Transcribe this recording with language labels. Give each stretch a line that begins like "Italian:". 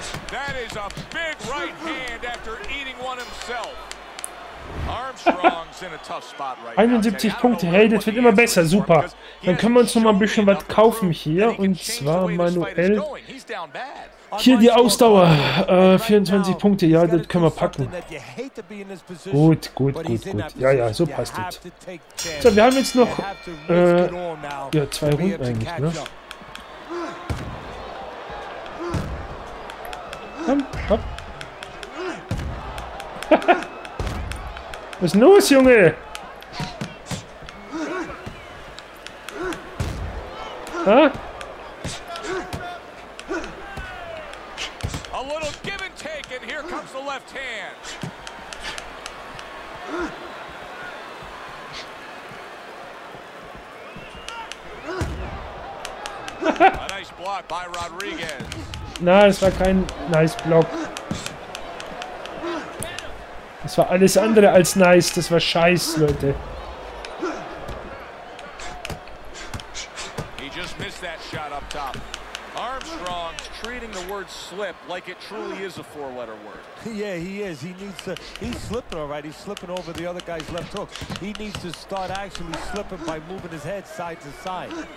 English: That is a big right hand after eating one himself. Armstrong's in a tough spot right now.
German: 71 Punkte, hey, das wird immer besser, super. Dann können wir uns nochmal ein bisschen was kaufen hier, und zwar manuell. Hier die Ausdauer, 24 Punkte, ja, das können wir packen. Gut, gut, gut, gut, ja, ja, so passt das. So, wir haben jetzt noch, ja, zwei Runden eigentlich, ne? Komm, hopp. Was ist los, Junge?
English: A little give and take, and here comes the left hand. A nice block by Rodriguez.
German: Na, das war kein nice Block. Das war alles andere als nice, das war scheiß, Leute.
English: He just missed that shot up top. Armstrong treating the word slip like it truly is a four-letter word. Yeah, he is. He needs to, he's slipping all right. He's slipping over the other guy's left hook. He needs to start actually slipping by moving his head side to side.